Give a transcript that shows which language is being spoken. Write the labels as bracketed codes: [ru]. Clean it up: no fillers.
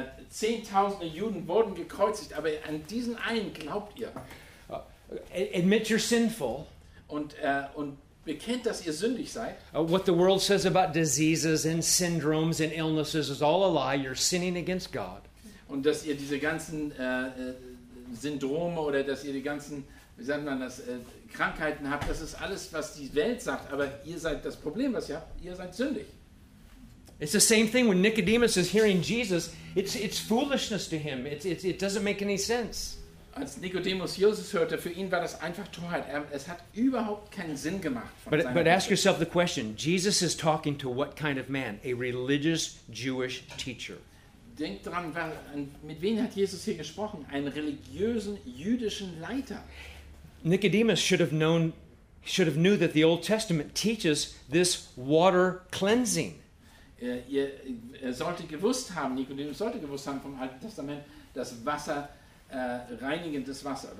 [de] Zehntausende Juden wurden gekreuzigt, aber an diesen einen glaubt ihr. [en] Admit you're sinful. [de] Und bekennt, dass ihr sündig seid. [en] What the world says about diseases and syndromes and illnesses is all a lie. You're sinning against God. [de] und dass ihr diese ganzen Syndrome oder dass ihr die ganzen, wie sagt man das, Krankheiten habt, das ist alles, was die Welt sagt, aber ihr seid das Problem, was ihr habt, ihr seid sündig. [en] It's the same thing when Nicodemus is hearing Jesus, it's foolishness to him, it doesn't make any sense. [de] Als Nikodemus Jesus hörte, für ihn war das einfach Torheit. Es hat überhaupt keinen Sinn gemacht. [en] But ask yourself the question. Jesus is talking to what kind of man? A religious Jewish teacher. [de] Denk dran, mit wem hat Jesus hier gesprochen? Einen religiösen jüdischen Leiter. [en] Nicodemus should have known that the Old Testament teaches this water cleansing. [de] Er sollte gewusst haben vom Alten Testament, dass Wasser reinigendes Wasser.